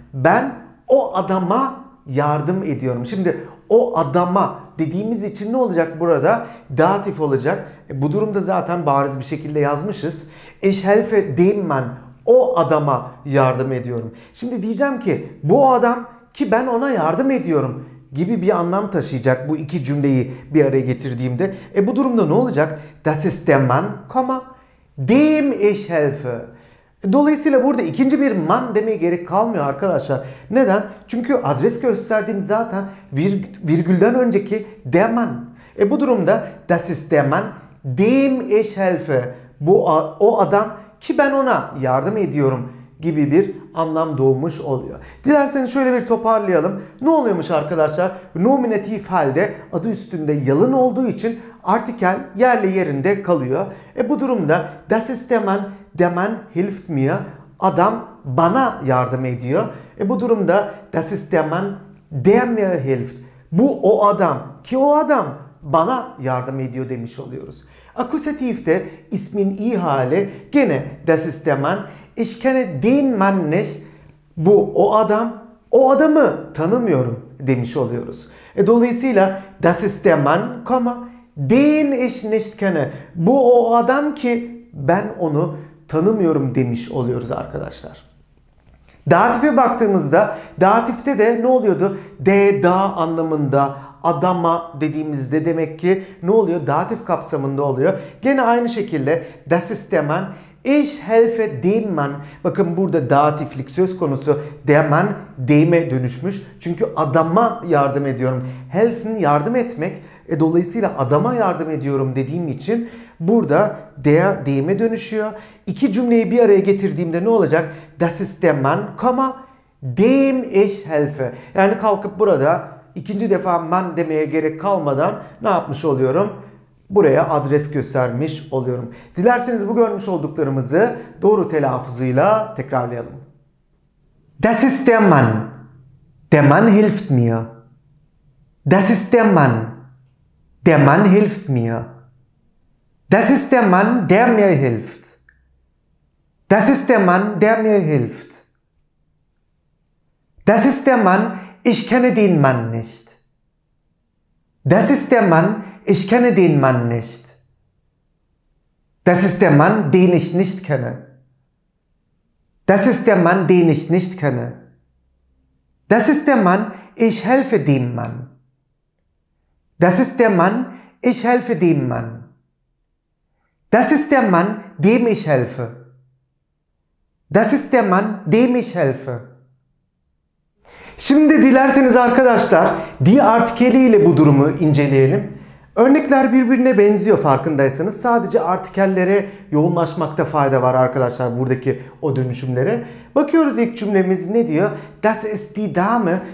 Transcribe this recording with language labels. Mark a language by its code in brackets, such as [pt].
[tr] Ben o adama yardım ediyorum. Şimdi o adama dediğimiz için ne olacak burada? Datif olacak. Bu durumda zaten bariz bir şekilde yazmışız. [de] Ich helfe dem Mann. [tr] O adama yardım ediyorum. Şimdi diyeceğim ki bu adam ki ben ona yardım ediyorum gibi bir anlam taşıyacak bu iki cümleyi bir araya getirdiğimde. E bu durumda ne olacak? [de] Das ist der Mann, dem ich helfe. [tr] Dolayısıyla burada ikinci bir man demeye gerek kalmıyor arkadaşlar. Neden? Çünkü adres gösterdiğim zaten virgülden önceki der Mann. E bu durumda [de] das ist der Mann, dem ich helfe. [tr] Bu o adam ki ben ona yardım ediyorum gibi bir anlam doğmuş oluyor. Dilerseniz şöyle bir toparlayalım. Ne oluyormuş arkadaşlar? Nominatif halde adı üstünde yalın olduğu için artikel yerli yerinde kalıyor. E bu durumda [de] das ist der Mann, der Mann hilft mir. [tr] Adam bana yardım ediyor. [de] E bu durumda das ist der Mann, der mir hilft. [tr] Bu o adam ki o adam bana yardım ediyor demiş oluyoruz. Akusatifte ismin iyi hali gene [de] das ist der Mann. Ich kenne den Mann nicht. [tr] Bu o adam. O adamı tanımıyorum demiş oluyoruz. E dolayısıyla [de] das ist der Mann, den ich nicht kenne. [tr] Bu o adam ki ben onu tanımıyorum demiş oluyoruz arkadaşlar. Datife baktığımızda datifte de ne oluyordu? De da anlamında adama dediğimizde demek ki ne oluyor? Datif kapsamında oluyor. Gene aynı şekilde [de] das ist der Mann. Ich helfe dem Mann. [tr] Bakın burada datiflik söz konusu der Mann, dem'e dönüşmüş. Çünkü adama yardım ediyorum. Helfen yardım etmek. E dolayısıyla adama yardım ediyorum dediğim için burada dem'e dönüşüyor. İki cümleyi bir araya getirdiğimde ne olacak? [de] Das ist der Mann, dem ich helfe. [tr] Yani kalkıp burada ikinci defa man demeye gerek kalmadan ne yapmış oluyorum? Buraya adres göstermiş oluyorum. Dilerseniz bu görmüş olduklarımızı doğru telaffuzuyla tekrarlayalım. [de] Das ist der Mann. Der Mann hilft mir. Das ist der Mann. Der Mann hilft mir. Das ist der Mann, der mir hilft. Das ist der Mann, der mir hilft. Das ist der Mann, ich kenne den Mann nicht. Das ist der Mann, ich kenne den Mann nicht. Das ist der Mann, den ich nicht kenne. Das ist der Mann, den ich nicht kenne. Das ist der Mann, ich helfe dem Mann. Das ist der Mann, ich helfe dem Mann. Das ist der Mann, dem ich helfe. Das ist der Mann, dem ich helfe. [tr] Şimdi dilerseniz arkadaşlar die artikeliyle bu durumu inceleyelim. Örnekler birbirine benziyor farkındaysanız. Sadece artikellere yoğunlaşmakta fayda var arkadaşlar buradaki o dönüşümlere. Bakıyoruz ilk cümlemiz ne diyor? [de] Das ist die Dame.